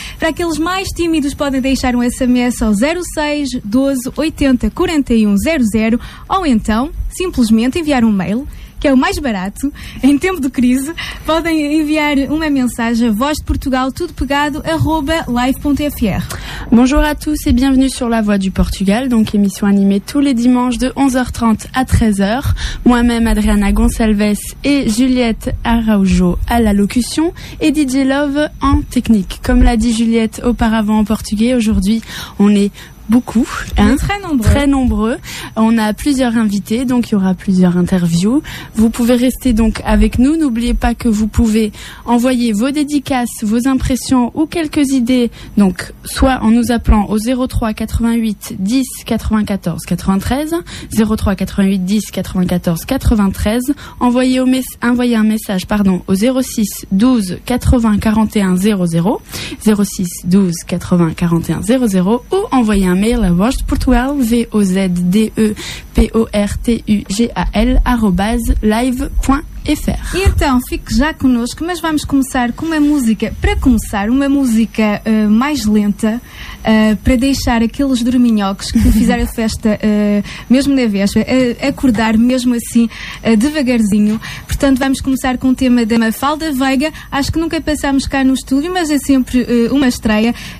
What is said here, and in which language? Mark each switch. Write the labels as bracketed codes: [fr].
[pt] Para aqueles mais tímidos, podem deixar um SMS ao 06 12 80 41 00, ou então simplesmente enviar um mail, que é o mais barato em tempo de crise. Podem enviar uma mensagem a Voz de Portugal, tudo pegado, @live.fr. [fr] Bonjour à tous et bienvenue sur La Voix du Portugal, donc émission animée tous les dimanches de 11h30 à 13h. Moi-même, Adriana Gonçalves et Juliette Araújo à la locution et DJ Love en technique. Comme l'a dit Juliette auparavant en portugais, aujourd'hui on est beaucoup, hein? Très nombreux. Très nombreux. On a plusieurs invités, donc il y aura plusieurs interviews. Vous pouvez rester donc avec nous. N'oubliez pas que vous pouvez envoyer vos dédicaces, vos impressions ou quelques idées, donc soit en nous appelant au 03 88 10 94 93, 03 88 10 94 93, envoyez un message, pardon, au 06 12 80 41 00, 06 12 80 41 00, ou envoyez un mail à Voz de Portugal, VOZDEPORTUGAL @live.fr. [pt] E então, fique já connosco, mas vamos começar com uma música, para começar, uma música mais lenta, para deixar aqueles dorminhocos que fizeram a festa, mesmo na véspera, acordar mesmo assim, devagarzinho. Portanto, vamos começar com o tema da Mafalda Veiga. Acho que nunca passámos cá no estúdio, mas é sempre uma estreia.